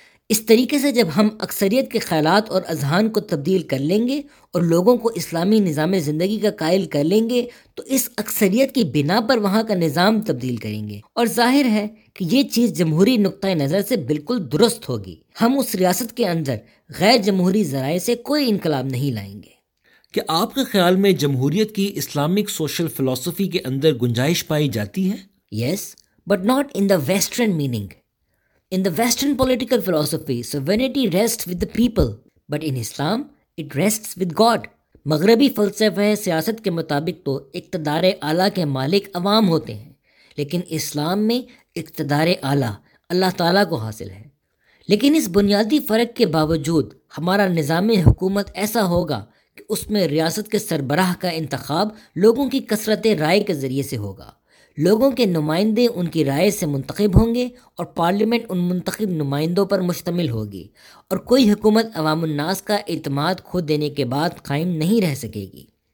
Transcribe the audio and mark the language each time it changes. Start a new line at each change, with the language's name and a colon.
Urdu: اس طریقے سے جب ہم اکثریت کے خیالات اور اذہان کو تبدیل کر لیں گے اور لوگوں کو اسلامی نظام زندگی کا قائل کر لیں گے تو اس اکثریت کی بنا پر وہاں کا نظام تبدیل کریں گے، اور ظاہر ہے کہ یہ چیز جمہوری نقطۂ نظر سے بالکل درست ہوگی۔ ہم اس ریاست کے اندر غیر جمہوری ذرائع سے کوئی انقلاب نہیں لائیں گے۔ کیا آپ کے خیال میں جمہوریت کی اسلامک سوشل فلسفی کے اندر گنجائش پائی جاتی ہے؟
English: Yes, but not in the western meaning. In the Western political philosophy, sovereignty rests with the people, but in Islam, it rests with God.
Urdu: مغربی فلسفہ سیاست کے مطابق تو اقتدار اعلیٰ کے مالک عوام ہوتے ہیں، لیکن اسلام میں اقتدار اعلیٰ اللہ تعالیٰ کو حاصل ہے۔ لیکن اس بنیادی فرق کے باوجود ہمارا نظام حکومت ایسا ہوگا کہ اس میں ریاست کے سربراہ کا انتخاب لوگوں کی کثرت رائے کے ذریعے سے ہوگا۔ لوگوں کے نمائندے ان کی رائے سے منتخب ہوں گے اور پارلیمنٹ ان منتخب نمائندوں پر مشتمل ہوگی، اور کوئی حکومت عوام الناس کا اعتماد کھو دینے کے بعد قائم نہیں رہ سکے گی۔